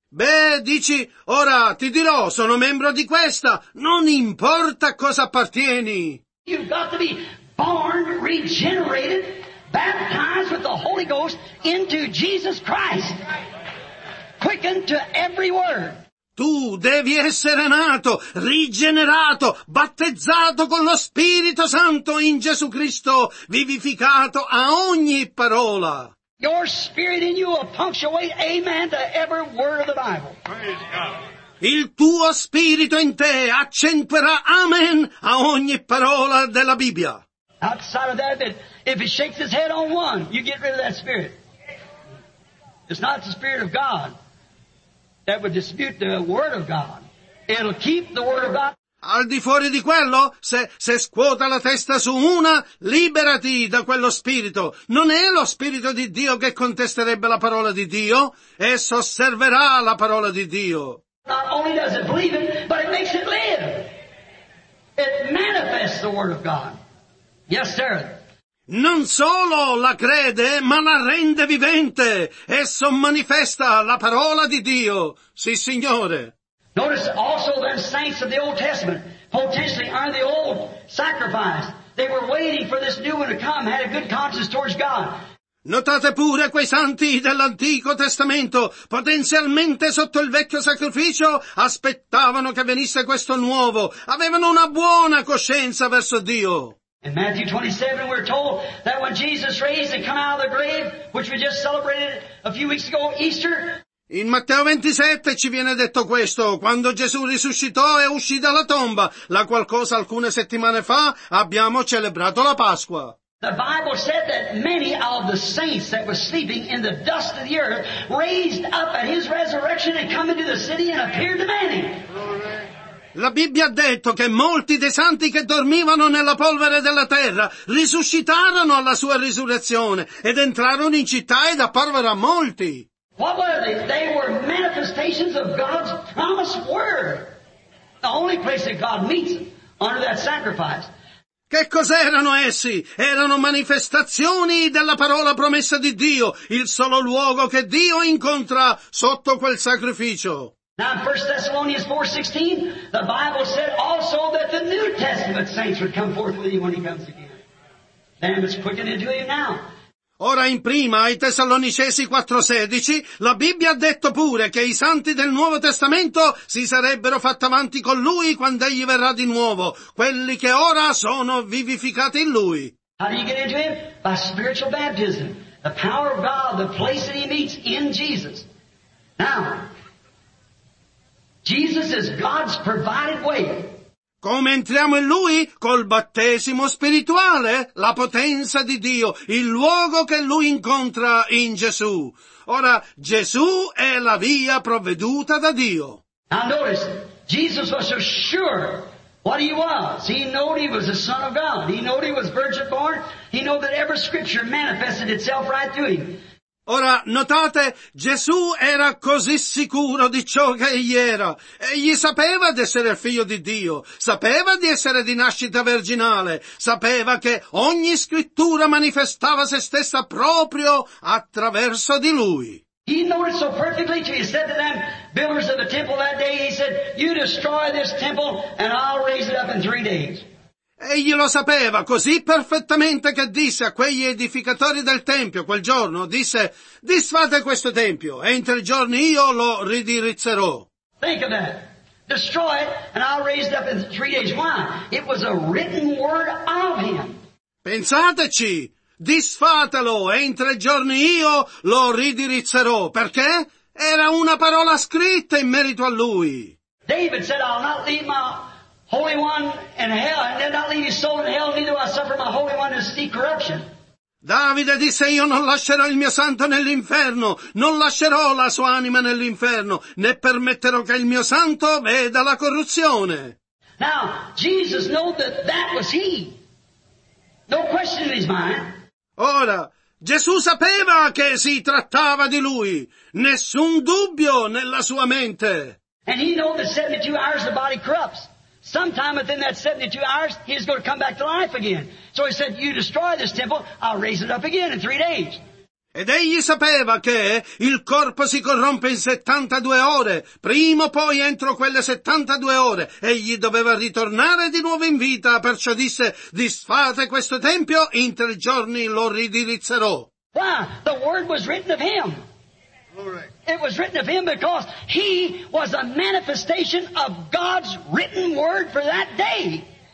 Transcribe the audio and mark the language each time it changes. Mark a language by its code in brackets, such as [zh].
[it] Beh, dici, ora ti dirò, sono membro di questa, non importa a cosa appartieni. [en] You've got to be born, regenerated. Baptized with the Holy Ghost into Jesus Christ. Quickened to every word. [it] Tu devi essere nato, rigenerato, battezzato con lo Spirito Santo in Gesù Cristo, vivificato a ogni parola. [en] Your spirit in you will punctuate amen to every word of the Bible. Praise God. [it] Il tuo spirito in te accentuerà amen a ogni parola della Bibbia. [en] Outside of that, if it shakes its head on one, you get rid of that spirit. It's not the spirit of God that would dispute the word of God. It'll keep the word of God. [it] Al di fuori di quello, se scuota la testa su una, liberati da quello spirito. Non è lo spirito di Dio che contesterebbe la parola di Dio, esso osserverà la parola di Dio. [en] Not only does it believe it, but it makes it live. It manifests the word of God. Yes, sir. [it] Non solo la crede, ma la rende vivente. Esso manifesta la parola di Dio. Sì, Signore. [en] Notice also the saints of the Old Testament potentially are the old sacrifice. They were waiting for this new one to come, had a good conscience towards God. [it] Notate pure quei santi dell'Antico Testamento, potenzialmente sotto il vecchio sacrificio, aspettavano che venisse questo nuovo, avevano una buona coscienza verso Dio. [en] In Matthew 27 we're told that when Jesus raised and come out of the grave, which we just celebrated a few weeks ago, Easter. [it] In Matteo 27 ci viene detto questo, quando Gesù risuscitò e uscì dalla tomba, la qualcosa alcune settimane fa abbiamo celebrato la Pasqua. [en] The Bible said that many of the saints that were sleeping in the dust of the earth raised up at his resurrection and come into the city and appeared to many. [it] La Bibbia ha detto che molti dei santi che dormivano nella polvere della terra risuscitarono alla sua risurrezione ed entrarono in città ed apparvero a molti. [en] What were they? They were manifestations of God's promised word. The only place that God meets under that sacrifice. [it] Che cos'erano essi? Erano manifestazioni della parola promessa di Dio, il solo luogo che Dio incontra sotto quel sacrificio. [en] Now in 1 Thessalonians 4:16, the Bible said also that the New Testament saints would come forth with him when he comes again. Damn, it's quickened into him now. [it] Ora in prima, ai Tessalonicesi 4:16, la Bibbia ha detto pure che i santi del Nuovo Testamento si sarebbero fatti avanti con lui quando egli verrà di nuovo, quelli che ora sono vivificati in lui. [en] How do you get into him? By spiritual baptism. The power of God, the place that he meets in Jesus. Now, Jesus is God's provided way. [it] Come entriamo in Lui? Col battesimo spirituale, la potenza di Dio, il luogo che Lui incontra in Gesù. Ora, Gesù è la via provveduta da Dio. [en] Now notice, Jesus was so sure what He was. He knew He was the Son of God. He knew He was virgin born. He knew that every scripture manifested itself right through Him. [it] Ora, notate, Gesù era così sicuro di ciò che egli era. Egli sapeva di essere il figlio di Dio, sapeva di essere di nascita virginale, sapeva che ogni scrittura manifestava se stessa proprio attraverso di lui. [en] He noticed so perfectly till he said to them, builders of the temple that day, he said, you destroy this temple and I'll raise it up in 3 days. [it] Egli lo sapeva così perfettamente che disse a quegli edificatori del Tempio quel giorno, disse, disfate questo Tempio e in 3 giorni io lo ridirizzerò. [en] Think of that. Destroy it and I'll raise it up in 3 days. Why? It was a written word of him. [it] Pensateci, disfatelo e in 3 giorni io lo ridirizzerò. Perché? Era una parola scritta in merito a lui. [en] David said, I'll not leave my Holy One in hell, and then I'll leave his soul in hell, neither will I suffer my Holy One to see corruption. [it] Davide disse, io non lascerò il mio santo nell'inferno, non lascerò la sua anima nell'inferno, né permetterò che il mio santo veda la corruzione. [en] Now, Jesus knew that that was he. No question in his mind. [it] Ora, Gesù sapeva che si trattava di lui. Nessun dubbio nella sua mente. [en] And he knew that 72 hours the body corrupts. Sometime within that 72 hours, he's going to come back to life again. So he said, you destroy this temple, I'll raise it up again in 3 days. [it] Ed egli sapeva che il corpo si corrompe in 72 ore, prima o poi entro quelle 72 ore, egli doveva ritornare di nuovo in vita, perciò disse, disfate questo tempio, in 3 giorni lo ridirizzerò. [en] Why? The word was written of him. It was written of him because he was a manifestation of God's written word for that day.